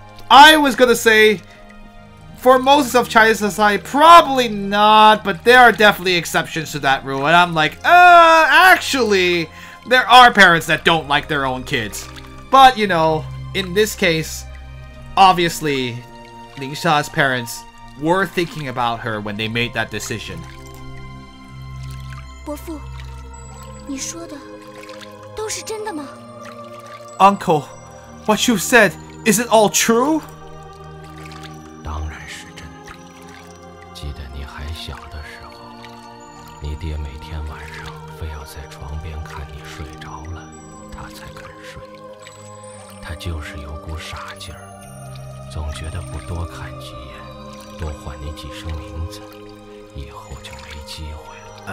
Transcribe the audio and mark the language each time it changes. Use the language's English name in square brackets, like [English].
[English] I was gonna say, for most of Chinese society, probably not, but there are definitely exceptions to that rule. And I'm like, actually, there are parents that don't like their own kids. But, you know... In this case, obviously, Lingxia's parents were thinking about her when they made that decision. [Chinese] 伯父，你说的都是真的吗？ [English] Uncle, what you said, is it all true? [Chinese] 当然是真的。记得你还小的时候，你爹每天晚上非要在床边看你睡着了，他才肯睡。他就是有股傻劲儿，总觉得不多看几眼，多唤你几声名字，以后就没机会了。